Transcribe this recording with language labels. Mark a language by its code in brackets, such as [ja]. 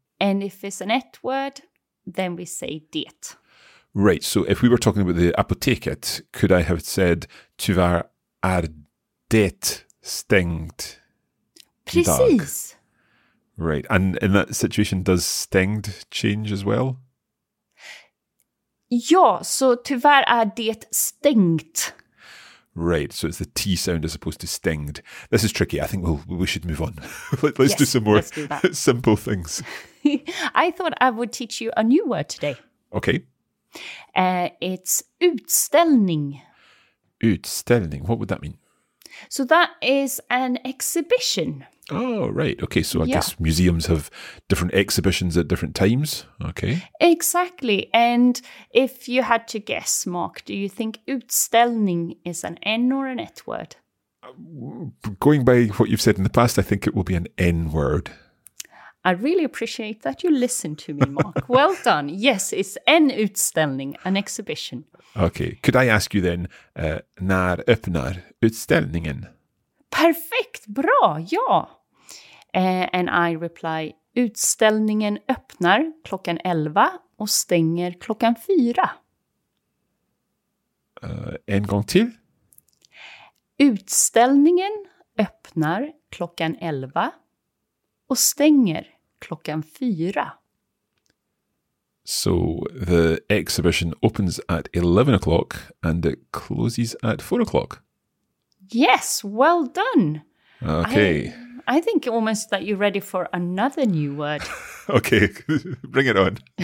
[en] And if it's an et word, then we say det. Right, so if we were talking about the apoteket, could I have said [sv] tyvärr är det stängt? Precis. [en] Dog. Right. And in that situation, does stängd change as well? [sv] Ja, så tyvärr är det stängt. [en] Right. So it's the T sound as opposed to stängd. This is tricky. I think we should move on. let's do some more simple things. I thought I would teach you a new word today. Okay. It's utställning. Utställning. What would that mean? So that is an exhibition. Oh, right. Okay, so I guess museums have different exhibitions at different times. Okay. Exactly. And if you had to guess, Mark, do you think utställning is an N or an et word? Going by what you've said in the past, I think it will be an N word. I really appreciate that you listen to me, Mark. Well done. Yes, it's [sv] en utställning, [en] an exhibition. Okay. Could I ask you then, [sv] när öppnar utställningen? Perfekt, bra, ja. [en] And I reply, [sv] utställningen öppnar klockan 11 och stänger klockan 4. En gång till. Utställningen öppnar klockan 11 och stänger klockan 4. [en] So the exhibition opens at 11 o'clock and it closes at 4 o'clock. Yes, well done. Okay. I think almost that you're ready for another new word. Okay, bring it on.